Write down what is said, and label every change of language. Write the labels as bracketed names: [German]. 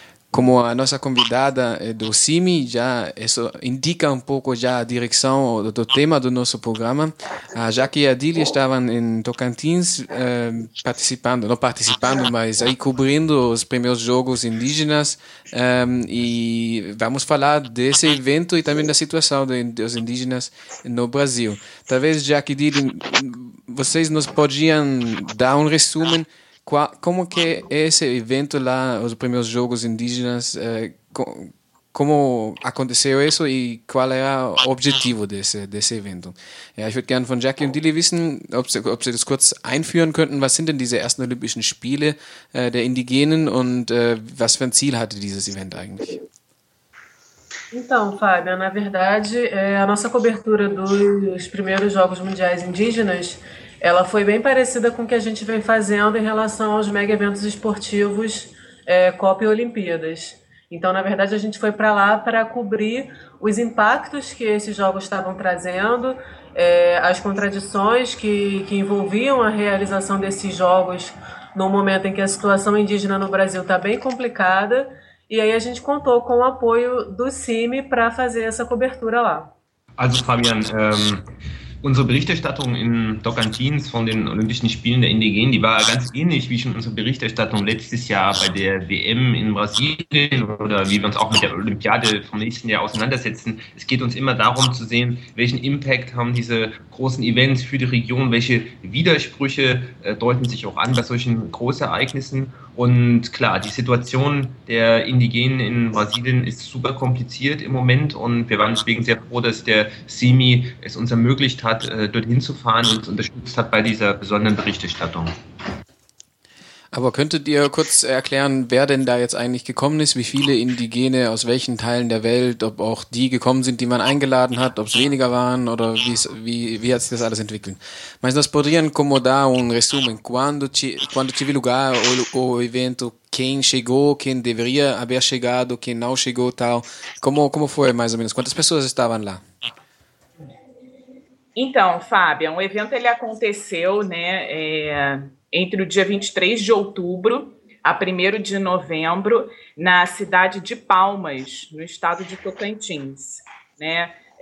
[Portuguese] Como a nossa convidada do CIMI já isso indica um pouco já a direção do tema do nosso programa, a Jaque e a Dili estavam em Tocantins participando, não participando, mas aí cobrindo os primeiros jogos indígenas, e vamos falar desse evento e também da situação dos indígenas no Brasil. Talvez, Jaque e Dili, vocês nos podiam dar um resumo. Como que é esse evento lá, os primeiros jogos indígenas, como aconteceu isso e qual era o objetivo desse evento? [German] Ich würde gerne von Jackie und Dili wissen, ob sie das kurz einführen könnten. Was sind denn diese ersten Olympischen Spiele der Indigenen und was für ein Ziel hatte dieses Event eigentlich? [Portuguese] Então, Fábio, na verdade, a nossa cobertura dos primeiros Jogos Mundiais Indígenas, ela foi bem parecida com o que a gente vem fazendo em relação aos mega-eventos esportivos, Copa e Olimpíadas. Então, na verdade, a gente foi para lá para cobrir os impactos que esses jogos estavam trazendo, as contradições que envolviam a realização desses jogos num momento em que a situação indígena no Brasil está bem complicada. E aí a gente contou com o apoio do CIMI para fazer essa cobertura lá. [German] Also, Fabian, Unsere Berichterstattung in Tocantins von den Olympischen Spielen der Indigenen, die war ganz ähnlich wie schon unsere Berichterstattung letztes Jahr bei der WM in Brasilien oder wie wir uns auch mit der Olympiade vom nächsten Jahr auseinandersetzen. Es geht uns immer darum zu sehen, welchen Impact haben diese großen Events für die Region, welche Widersprüche deuten sich auch an bei solchen Großereignissen. Und klar, die Situation der Indigenen in Brasilien ist super kompliziert im Moment und wir waren deswegen sehr froh, dass der CIMI es uns ermöglicht hat, dorthin zu fahren und uns unterstützt hat bei dieser besonderen Berichterstattung. Aber könntet ihr kurz erklären, wer denn da jetzt eigentlich gekommen ist, wie viele Indigene aus welchen Teilen der Welt, ob auch die gekommen sind, die man eingeladen hat, ob es weniger waren oder wie hat sich das alles entwickelt? [Portuguese] Mas nós poderíamos como dar resumen, quando tive lugar o evento, quem chegou, quem deveria haber chegado, quem não chegou, tal. Como foi mais ou menos? Quantas pessoas estavam lá? Então, Fábio, o evento ele aconteceu, né, entre o dia 23 de outubro a 1º de novembro, na cidade de Palmas, no estado de Tocantins. Né?